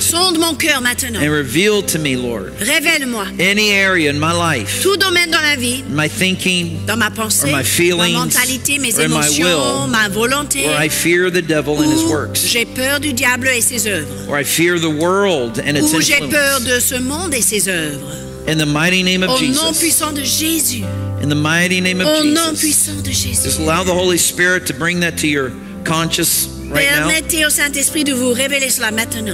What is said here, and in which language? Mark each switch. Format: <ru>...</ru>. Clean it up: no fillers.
<fr>sonde mon cœur maintenant,</fr> <en>and reveal to me, Lord,</en> <fr>révèle-moi</fr> <en>any area in my life,</en> <fr>tout domaine dans la vie,</fr> <en>my thinking,</en> <fr>dans ma pensée,</fr> <en>or my feelings,</en> <fr>ma mentalité, mes</fr> <en>or</en> <fr>émotions,</fr> <en>my will,</en> <fr>ma volonté,</fr> <en>or I fear the devil and his works,</en> <fr>j'ai peur du diable et ses œuvres,</fr> <en>or I fear the world and its influence,</en> <fr>ou j'ai peur de ce monde et ses œuvres.</fr> <en>In the mighty name of</en> <fr>Au</fr> <en>Jesus.</en> <fr>Nom puissant de Jésus.</fr> <en>In the mighty name of</en> <fr>Au</fr> <en>Jesus.</en> <fr>Nom puissant de Jésus.</fr> <en>Just allow the Holy Spirit to bring that to your conscious right</en> <fr>Permettez</fr> <en>now.</en> <fr>Permettez au Saint-Esprit de vous révéler cela maintenant.</fr>